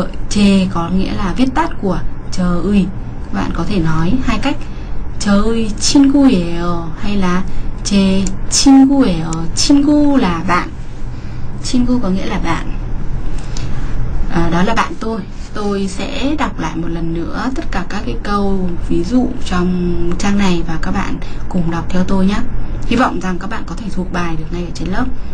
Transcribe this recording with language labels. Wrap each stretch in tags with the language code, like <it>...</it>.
<vi>제 có nghĩa là viết tắt của 저의. Các bạn có thể nói hai cách.</vi> <ko>저의 친구예요</ko> <vi>hay là</vi> <ko>제 친구예요.</ko> <vi>친구 là bạn. 친구 có nghĩa là bạn. Đó là bạn tôi. Tôi sẽ đọc lại một lần nữa tất cả các cái câu ví dụ trong trang này và các bạn cùng đọc theo tôi nhé. Hy vọng rằng các bạn có thể thuộc bài được ngay ở trên lớp.</vi>